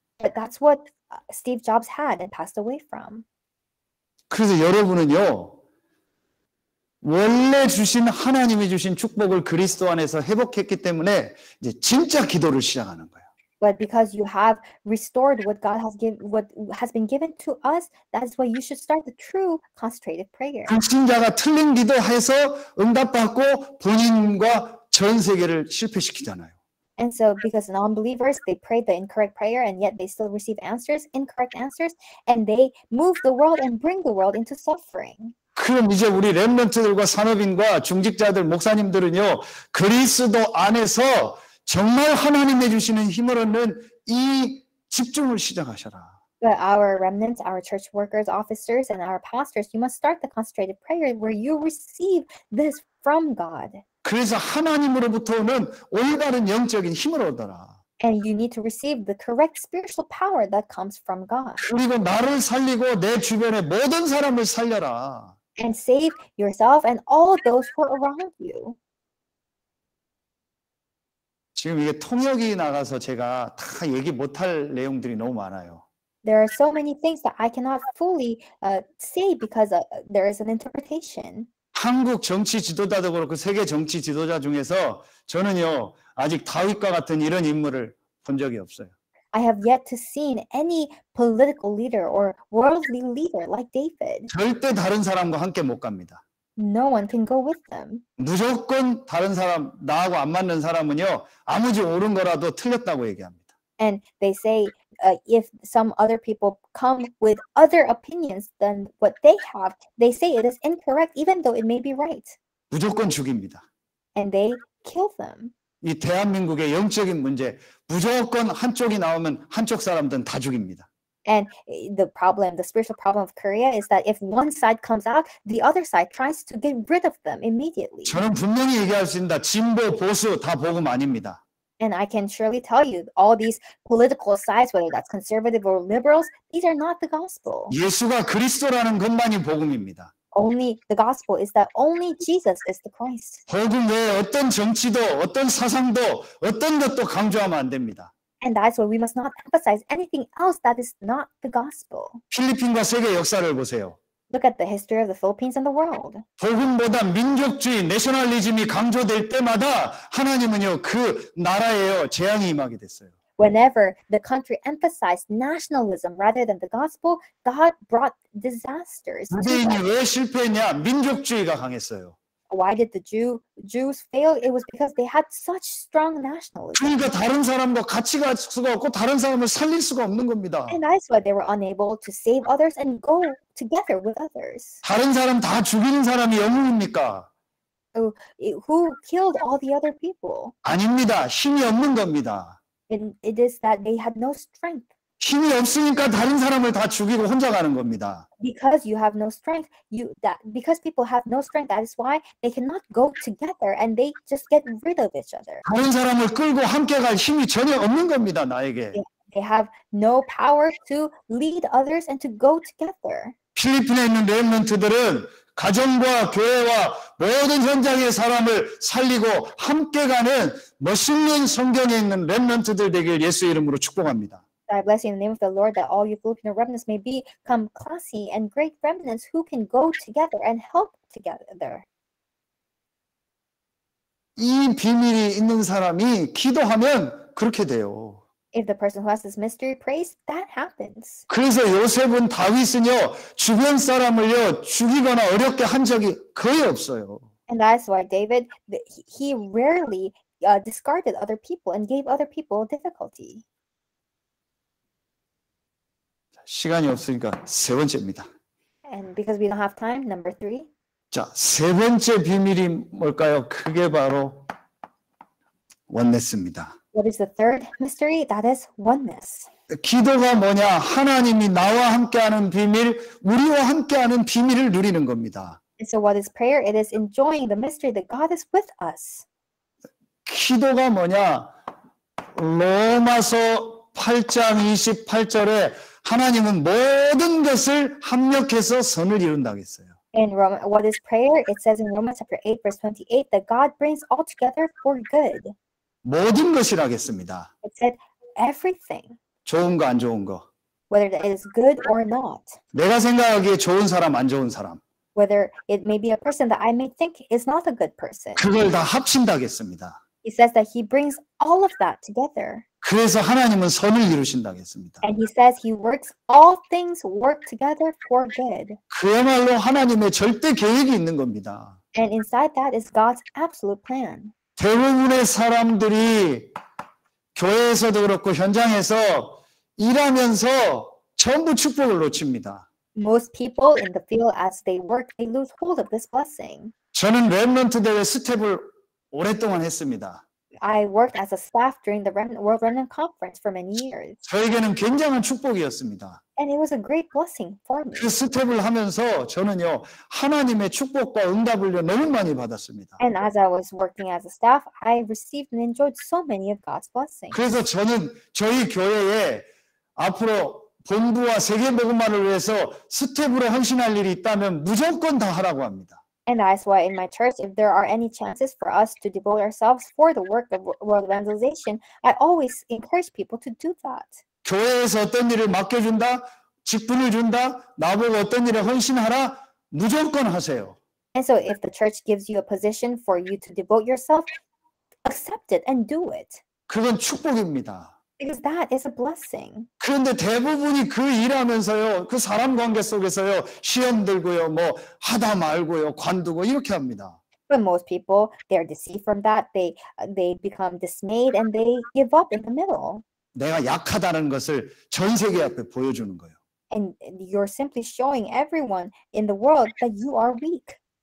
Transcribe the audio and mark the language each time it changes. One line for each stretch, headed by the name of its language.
English: But that's what Steve Jobs had and passed away from.
Korean: 그래서 여러분은요, 원래 주신 하나님이 주신 축복을 그리스도 안에서 회복했기 때문에 이제 진짜 기도를 시작하는 거예요.
English: But because you have restored what God has given, what has been given to us, that's why you should start the true concentrated prayer.
Korean: 불신자가 틀린 기도해서 응답받고 본인과 전 세계를 실패시키잖아요.
English: And so because non-believers, they prayed the incorrect prayer and yet they still receive answers, incorrect answers, and they move the world and bring the world into suffering.
Korean: 그럼 이제 우리 렘넌트들과 산업인과 중직자들, 목사님들은요, 그리스도 안에서 정말 하나님이 주시는 힘을 얻는 이 집중을 시작하셔라.
English: But our remnants, our church workers, officers, and our pastors, you must start the concentrated prayer where you receive this from God.
Korean: 그래서 하나님으로부터는 올바른 영적인 힘을 얻어라.
English: And you need to receive the correct spiritual power that comes from God.
Korean: 그리고 나를 살리고 내 주변의 모든 사람을 살려라.
English: And save yourself and all those who are around you.
Korean: 지금 이게 통역이 나가서 제가 다 얘기 못할 내용들이 너무 많아요.
English: There are so many things that I cannot fully say because there is an interpretation.
Korean: 한국 정치 지도자도 그렇고 세계 정치 지도자 중에서 저는요 아직 다윗과 같은 이런 인물을 본 적이 없어요.
English: I have yet to seen any political leader or worldly leader like David.
Korean: 절대 다른 사람과 함께 못 갑니다.
English: No one can go with them.
Korean: 무조건 다른 사람 나하고 안 맞는 사람은요 아무리 옳은 거라도 틀렸다고 얘기합니다.
English: And they say if some other people come with other opinions than what they have, they say it is incorrect, even though it may be right.
Korean: 무조건 죽입니다.
English: And they kill them.
Korean: 이 대한민국의 영적인 문제 무조건 한쪽이 나오면 한쪽 사람들은 다 죽입니다.
English: And the problem, the spiritual problem of Korea is that if one side comes out, the other side tries to get rid of them immediately.
Korean: 저는 분명히 얘기할 수 있습니다. 진보 보수 다 복음 아닙니다.
English: And I can surely tell you, all these political sides, whether that's conservative or liberals, these are not the gospel.
Korean: 예수가 그리스도라는 것만이 복음입니다.
English: Only the gospel is that only Jesus is the Christ.
Korean: 복음 외에 어떤 정치도, 어떤 사상도, 어떤 것도 강조하면 안 됩니다.
English: And that's why we must not emphasize anything else that is not the gospel.
Korean: 필리핀과 세계 역사를 보세요.
English: Look at the history of the Philippines and the world.
Korean: 복음보다 민족주의, 내셔널리즘이 강조될 때마다 하나님은요 그 나라에요 재앙이 임하게 됐어요.
English: Whenever the country emphasized nationalism rather than the gospel, God brought disasters.
Korean: 유대인이 왜 실패했냐? 민족주의가 강했어요.
English: Why did the Jews fail? It was because they had such strong nationalism.
Korean: 그러니까 다른 사람도 같이 갈 수가 없고 다른 사람을 살릴 수가 없는 겁니다.
English: And that's why they were unable to save others and go together with others.
Korean: 다른 사람 다 죽이는 사람이 영웅입니까?
English: Who killed all the other people?
Korean: 아닙니다. 힘이 없는 겁니다.
English: It is that they had no strength.
Korean: 힘이 없으니까 다른 사람을 다 죽이고 혼자 가는 겁니다.
English: Because you have no strength, because people have no strength, that is why they cannot go together and they just get rid of each other.
Korean: 다른 사람을 끌고 함께 갈 힘이 전혀 없는 겁니다, 나에게.
English: They have no power to lead others and to go together.
Korean: 필리핀에 있는 렘넌트들은 가정과 교회와 모든 현장의 사람을 살리고 함께 가는 멋있는 성경에 있는 렘넌트들 되길 예수 이름으로 축복합니다.
English: I bless you in the name of the Lord that all you Filipino remnants may become classy and great remnants who can go together and help together.
Korean: 이 비밀이 있는 사람이 기도하면 그렇게 돼요.
English: If the person who has this mystery prays, that happens.
Korean: 그래서 요셉은 다윗은요 주변 사람을요 죽이거나 어렵게 한 적이 거의 없어요.
English: And that's why David, he rarely discarded other people and gave other people difficulty.
Korean: 시간이 없으니까 세 번째입니다.
English: And because we don't have time, number three.
Korean: 자, 세 번째 비밀이 뭘까요? 그게 바로 원네스입니다.
English: What is the third mystery? That is oneness.
Korean: 기도가 뭐냐? 하나님이 나와 함께하는 비밀, 우리와 함께하는 비밀을 누리는 겁니다.
English: And so what is prayer? It is enjoying the mystery that God is with us.
Korean: 기도가 뭐냐? 로마서 8장 28절에 하나님은 모든 것을 합력해서 선을 이룬다고 했어요.
English: In Roman, what is prayer? It says in Romans chapter 8 verse 28 that God brings all together for good.
Korean: 모든 것이라고 했습니다.
English: It said everything.
Korean: 좋은 거 안 좋은 거.
English: Whether it is good or not.
Korean: 내가 생각하기에 좋은 사람 안 좋은 사람.
English: Whether it may be a person that I may think is not a good person.
Korean: 그걸 다 합친다고 했습니다.
English: He says that he brings all of that together.
Korean: 그래서 하나님은 선을 이루신다고 했습니다.
English: And he says he works all things work together for good.
Korean: 그야말로 하나님의 절대 계획이 있는 겁니다.
English: And inside that is God's absolute plan.
Korean: 대부분의 사람들이 교회에서도 그렇고 현장에서 일하면서 전부 축복을 놓칩니다.
English: Most people in the field as they work, they lose hold of this blessing.
Korean: 저는 렘넌트들의 스텝을 오랫동안 했습니다.
English: I worked as a staff during the World Remnant Conference for many years.
Korean: 저에게는 굉장한 축복이었습니다.
English: And it was a great blessing for me.
Korean: 그 스텝을 하면서 저는요 하나님의 축복과 응답을 너무 많이 받았습니다.
English: And as I was working as a staff, I received and enjoyed so many of God's blessings.
Korean: 그래서 저는 저희 교회에 앞으로 본부와 세계 복음화를 위해서 스텝으로 헌신할 일이 있다면 무조건 다 하라고 합니다.
English: And that's why in my church, if there are any chances for us to devote ourselves for the work of world evangelization, I always encourage people to do that.
Korean: 교회에서 어떤 일을 맡겨준다, 직분을 준다, 나보고 어떤 일에 헌신하라, 무조건 하세요.
English: And so if the church gives you a position for you to devote yourself, accept it and do it.
Korean: 그건 축복입니다.
English: Because that is a blessing.
Korean: 그런데 대부분이 그 일하면서요, 그 사람 관계 속에서요, 시험 들고요, 뭐 하다 말고요, 관두고 이렇게 합니다.
English: But most people, they are deceived from that. They become dismayed and they give up in the middle.
Korean: 내가 약하다는 것을 전 세계 앞에 보여주는 거예요.
English: And you're simply showing everyone in the world that you are weak.